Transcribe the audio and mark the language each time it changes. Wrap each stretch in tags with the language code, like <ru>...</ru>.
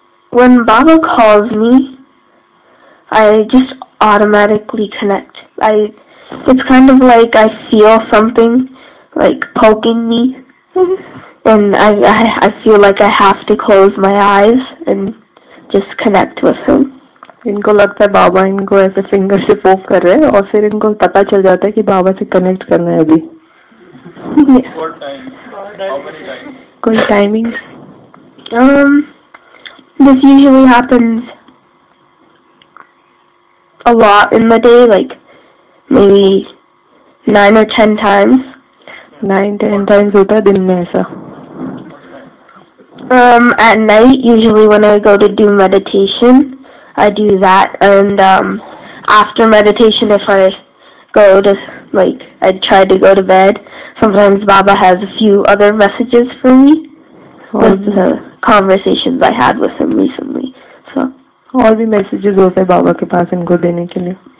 <en>When Baba calls me, I just automatically connect. It's kind of like I feel something like poking me, and I feel like I have to close my eyes and just connect with him.</en> <hi>इनको लगता है बाबा इनको ऐसे finger से पोक कर रहे हैं और फिर इनको पता चल जाता है कि बाबा से कनेक्ट करना है अभी। कोई timing?</hi> <en>This usually happens a lot in the day, like maybe 9 or 10 times.</en> <hi>9-10 times होता है दिन में ऐसा।</hi> <en>At night, usually when I go to do meditation, I do that. And after meditation, if I go to like I try to go to bed, sometimes Baba has a few other messages for me. With the conversations I had with him recently, so.</en> <hi>और भी messages होते हैं बाबा के पास इनको देने के लिए.</hi>